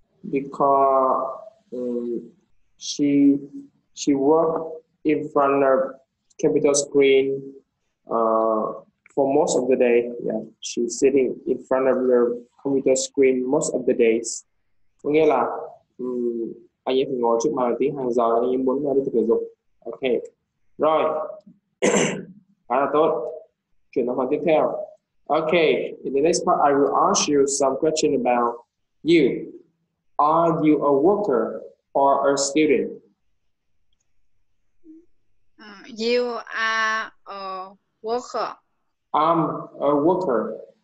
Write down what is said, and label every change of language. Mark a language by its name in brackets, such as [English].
[English] Because she work in front of computer screen for most of the day. Yeah, she's sitting in front of the computer screen most of the days. [Vietnamese] Có nghĩa là anh ấy phải ngồi trước màn hình tính hàng giờ, anh ấy muốn đi tập thể dục. Ok. Rồi. Khá là tốt. Chuyển sang phần tiếp theo. Ok. [English] In the next part, I will ask you some question about you. Are you a worker or a student? You are a worker. I'm a worker.